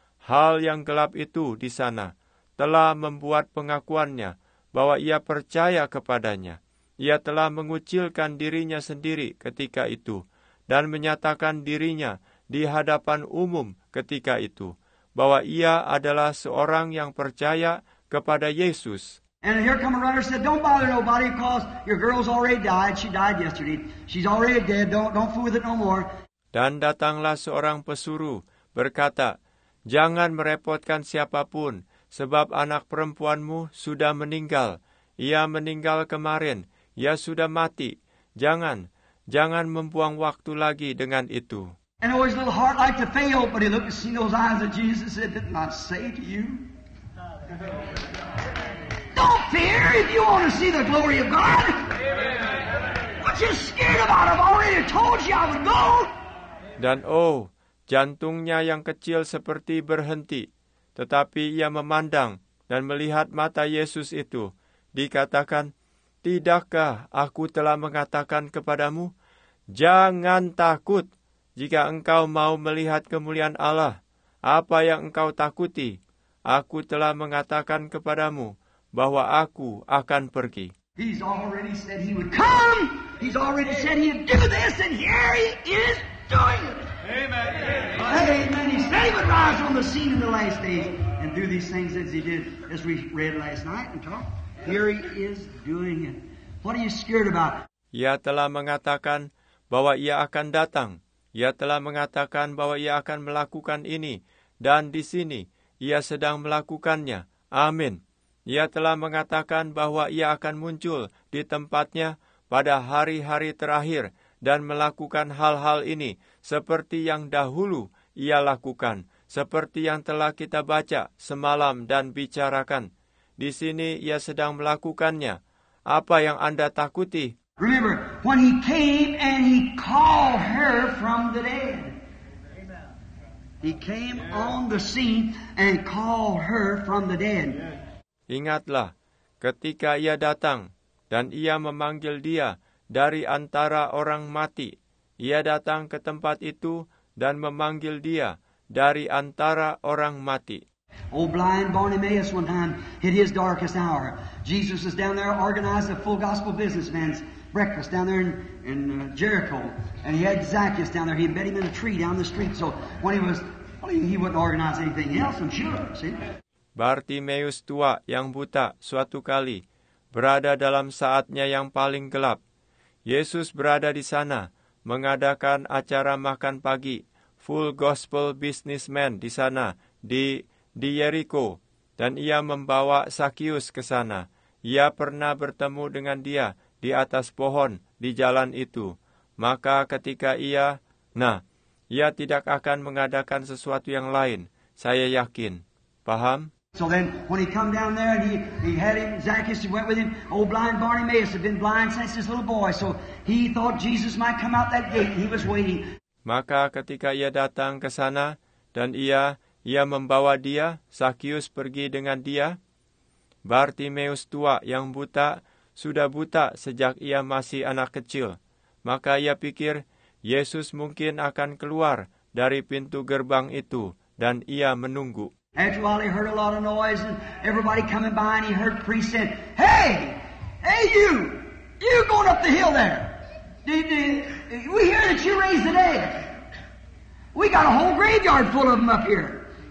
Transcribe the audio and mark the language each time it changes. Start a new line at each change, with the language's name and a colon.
Indonesian: Hal yang gelap itu di sana telah membuat pengakuannya bahwa ia percaya kepadanya. Ia telah mengucilkan dirinya sendiri ketika itu dan menyatakan dirinya di hadapan umum ketika itu bahwa ia adalah seorang yang percaya kepada Yesus.
English: And here come a runner said, don't bother nobody because your girl's already died. She died yesterday. She's already dead. Don't fool with it no more.
Indonesian: Dan datanglah seorang pesuru berkata, jangan merepotkan siapapun, sebab anak perempuanmu sudah meninggal. Ia meninggal kemarin. Ia sudah mati. Jangan membuang waktu lagi dengan itu.
English: And always a little heart like to fail, but he looked and seen those eyes of Jesus and said, didn't I say to you? Don't fear if you want to see the glory of God. What you scared about? I've already told you I would go.
Indonesian: Dan oh, jantungnya yang kecil seperti berhenti. Tetapi ia memandang dan melihat mata Yesus itu. Dikatakan, tidakkah aku telah mengatakan kepadamu? Jangan takut jika engkau mau melihat kemuliaan Allah. Apa yang engkau takuti? Aku telah mengatakan kepadamu bahwa aku akan pergi.
English: He's already said he would come. He's already said he'd do this and here he is doing it. Amen. Amen. He said he would rise on the scene in the last days and do these things as he did, as we read last night and talked. Here he is doing it. What are you scared about?
Indonesian: Ia telah mengatakan bahwa ia akan datang. Ia telah mengatakan bahwa ia akan melakukan ini. Dan di sini, ia sedang melakukannya. Amin. Ia telah mengatakan bahwa ia akan muncul di tempatnya pada hari-hari terakhir dan melakukan hal-hal ini seperti yang dahulu ia lakukan, seperti yang telah kita baca semalam dan bicarakan. Di sini ia sedang melakukannya. Apa yang Anda takuti?
English: Remember, when he came and he called her from the dead. He came on the scene and called her from the dead.
Indonesian: Ingatlah, ketika ia datang dan ia memanggil dia dari antara orang mati, ia datang ke tempat itu dan memanggil dia dari antara orang mati.
English: Old blind Bartimaeus one time hit his darkest hour. Jesus is down there organizing a full gospel businessman's breakfast down there in Jericho. And he had Zacchaeus down there. He had met him in a tree down the street. So when he wouldn't organize anything else, I'm sure, see?
Indonesian: Bartimaeus tua yang buta suatu kali berada dalam saatnya yang paling gelap. Yesus berada di sana mengadakan acara makan pagi
English: full gospel businessman
Indonesian: di sana di Jericho dan ia membawa Zacchaeus ke sana. Ia pernah bertemu dengan dia di atas pohon di jalan itu. Maka ketika ia tidak akan mengadakan sesuatu yang lain, saya yakin. Paham?
English: So then, when he come down there, and he had him, Zacchaeus, he went with him. Old blind Bartimaeus had been blind since his little boy, so he thought Jesus might come out that gate. He was waiting.
Indonesian: Maka ketika ia datang ke sana, dan ia membawa dia, Zacchaeus pergi dengan dia. Bartimaeus tua yang buta, sudah buta sejak ia masih anak kecil. Maka ia pikir, Yesus mungkin akan keluar dari pintu gerbang itu, dan ia menunggu.
English: After all, he heard a lot of noise and everybody coming by and he heard priests saying, hey you going up the hill there. We hear that you raised the dead. We got a whole graveyard full of them up here.